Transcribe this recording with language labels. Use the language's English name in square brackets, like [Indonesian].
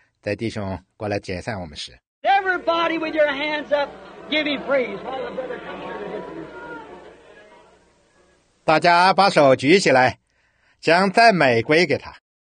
[Chinese] 在弟兄过来解散我们时。 [English] Everybody with your hands up, give him praise. [Chinese] 大家把手举起来，将赞美归给他。